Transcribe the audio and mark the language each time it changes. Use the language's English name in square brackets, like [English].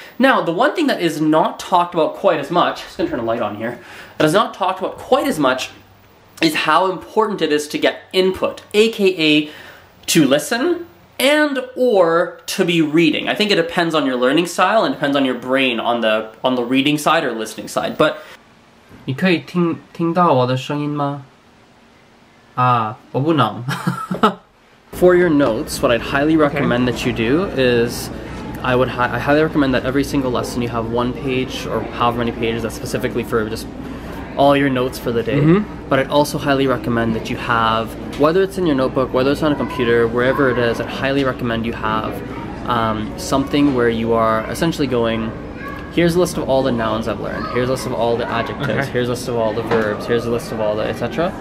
[English] Now, the one thing that is not talked about quite as much, I'm just gonna turn a light on here, that is not talked about quite as much is how important it is to get input, aka to listen and or to be reading. I think it depends on your learning style and depends on your brain on the reading side or listening side, but [Chinese] 你可以听到我的声音吗? 我不能。 [English] For your notes, what I'd highly recommend that you do is I highly recommend that every single lesson you have one page or however many pages that's specifically for just all your notes for the day. Mm-hmm. But I'd also highly recommend that you have, whether it's in your notebook, whether it's on a computer, wherever it is, I'd highly recommend you have something where you are essentially going, here's a list of all the nouns I've learned, here's a list of all the adjectives, here's a list of all the verbs, here's a list of all the etc.